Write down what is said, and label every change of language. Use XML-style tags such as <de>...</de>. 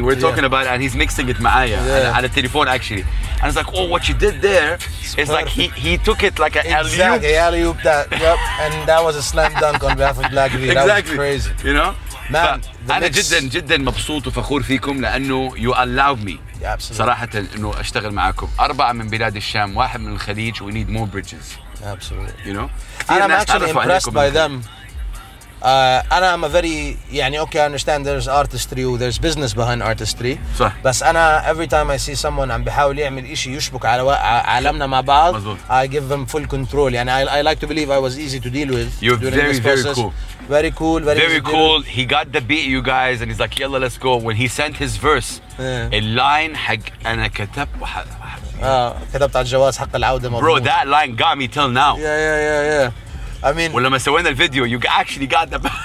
<en>We're talking about it and he's mixing it</en> <ar>معايا</ar> <en>yeah.</en> <ar>على التليفون</ar> <en>actually. And it's like, oh, what you did there is like he took it like an alluped. Exactly, he alluped that. Yep, and that was a slam dunk on behalf of Black B. Exactly. That was crazy. You know? Man,</en> <ar>أنا جداً جداً مبسوط وفخور فيكم لأنه</ar> <en>you allowed me yeah,</en> <ar>صراحةً إنه أشتغل معكم أربعة من بلاد الشام واحد من الخليج</ar> <en>we need more bridges absolutely you know I'm actually impressed by them أنا I'm a very يعني okay I understand there's artistry there's business behind artistry</en> <ar>صح بس أنا</ar> <en>every time I see someone</en> <ar>عم بحاول يعمل إشي يشبك على عالمنا مع بعض مزبوط.</ar> <en>I give them full control يعني I like to believe I was easy to deal with you're during very, this process very cool. Very cool, very, very cool. He got the beat, you guys, and he's like, yalla, let's go. When he sent his verse, a line</en> <ar>حق أنا كتب وحد. كتبت على الجواز حق العودة.</ar> <en>Bro, that line got me till now. Yeah. I mean.</en> <ar>ولما سوينا الفيديو,</ar> <en>you actually got the.</en>